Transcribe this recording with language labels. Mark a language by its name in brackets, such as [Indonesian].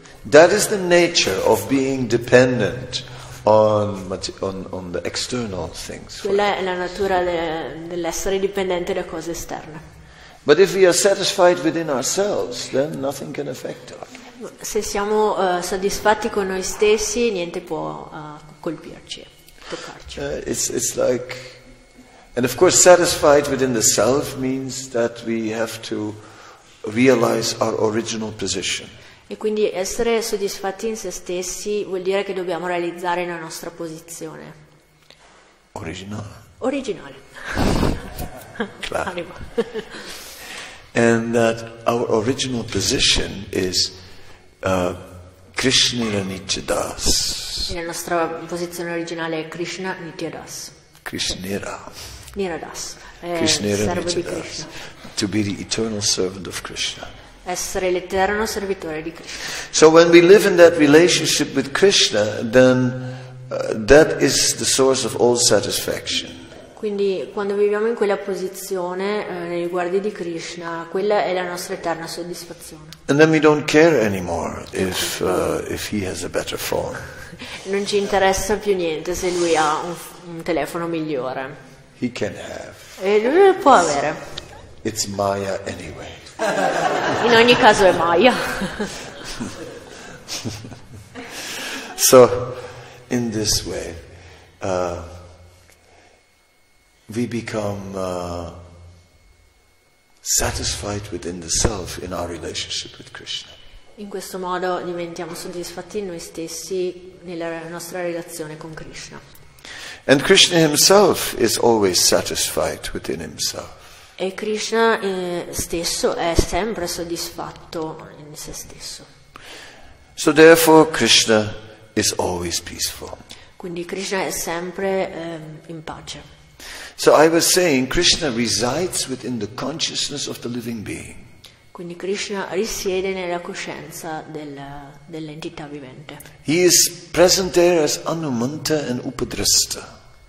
[English] That is the nature of being dependent on the external things. [Italian] Quella è la natura dell'essere dipendente da cose esterne. [English] But if we are satisfied within ourselves, then nothing can affect us. [Italian] Se siamo soddisfatti con noi stessi, niente può colpirci, toccarci. [English] It's like, and of course, satisfied within the self means that we have to realize our original position. [Italian] E quindi essere soddisfatti in se stessi vuol dire che dobbiamo realizzare la nostra posizione. Originale. Originale. [English] Claro. And that our original position is Krishna Nityadas. [Italian] La nostra posizione originale è Krishna Nityadas. Krishnira. Niradas. [English] Krishnira Nityadas. To be the eternal servant of Krishna. [Italian] Essere l'eterno servitore di Krishna. [English] So when we live in that relationship with Krishna, then that is the source of all satisfaction. [Italian] Quindi quando viviamo in quella posizione nei riguardi di Krishna, quella è la nostra eterna soddisfazione. [English] And then we don't care anymore if he has a better phone. [Italian] Non ci interessa più niente se lui ha un telefono migliore. [English] He can have. [Italian] E lui lo può avere. [English] It's Maya anyway. [Italian] In ogni caso è Maya. [English] So in this way we become satisfied within the self in our relationship with Krishna. [Italian] In questo modo diventiamo soddisfatti noi stessi nella nostra relazione con Krishna. [English] And Krishna himself is always satisfied within himself. [Italian] E Krishna stesso è sempre soddisfatto in se stesso. [English] So therefore Krishna is always peaceful. [Italian] Quindi Krishna è sempre in pace. [English] So I was saying Krishna resides within the consciousness of the living being. [Italian] Quindi Krishna risiede nella coscienza dell'entità vivente. [English] He is present there as Anumanta and Upadrista.